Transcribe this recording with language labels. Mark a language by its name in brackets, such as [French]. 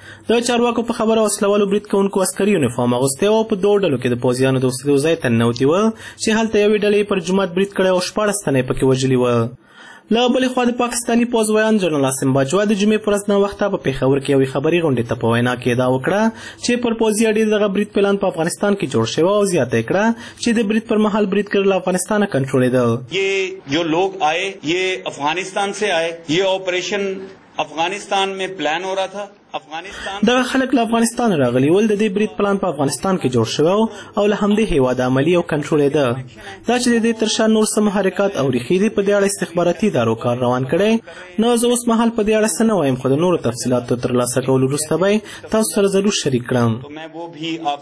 [Pashto] د چارواکو په خبره وسلوالو برید کوونکو عسکري یونیفارم اغوستی او په دوو ډلو کې د پوځیانو د اوسېدو ځای ته ننوتي وه چې هلته یوې ډلې پر جومات برید کړی او شپاړس تنه یې پکې وژلي وه. له بلې خوا د پاکستاني پوځ ویان جنرال عاصم باجوه د جمعې په ورځ ناوخته په پېښور کې یوې خبري غونډې ته په وینا کې ادعا وکړه چې پر پوځي اډې دغه برید پلان په افغانستان کې جوړ شوی او زیاته یې کړه چې د برید پر مهال برید کړل افغانستانه کنټرولېدل. [Urdu] جو لوگ آئے یہ افغانستان سے آئے، یہ آپریشن افغانستان میں پلان ہو رہا تھا. [Pashto] دغه خلک له افغانستان راغلي ول. د دې برید پلان په افغانستان کې جوړ شو او له همدې هیواد عملی او کنټرول یې ده. دا چې د دې تر شا نور څه محرکات او ریښې دي په دې اړه استخباراتي ادارو کار روان کړی. نو زه اوس مهال په دې اړه څه نه وایم، خو د نورو تفصیلاتو ترلاسه کولو وروسته به تاسو سره ضرور شریک کړم.